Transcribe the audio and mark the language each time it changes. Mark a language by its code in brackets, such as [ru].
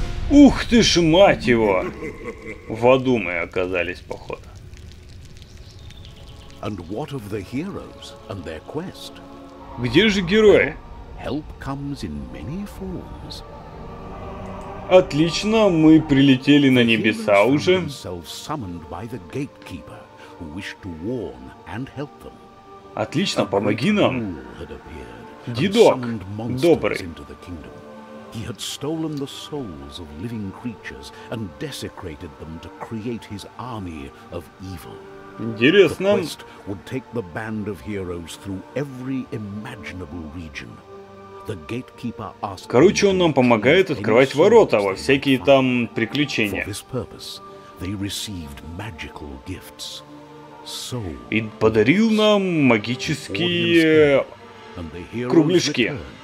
[ru] Ух ты ж, мать его! В аду мы оказались, походу. [en] And what of the heroes and their quest? [ru] Где же герои? [en] Help comes in many forms. [ru] Отлично, мы прилетели на небеса уже. [en] Summoned by the gatekeeper, who wished to warn and help them. [ru] Отлично, помоги нам. Дедок, добрый. [en] He had stolen the souls of living creatures and desecrated them to create his army of evil. [ru] Интересно. [en] The quest would take the band of heroes through every imaginable region. The gatekeeper asked. [ru] Короче, он нам помогает открывать ворота во всякие там приключения. [en] For this purpose, they received magical gifts. [ru] So, и подарил нам магические кругляшки.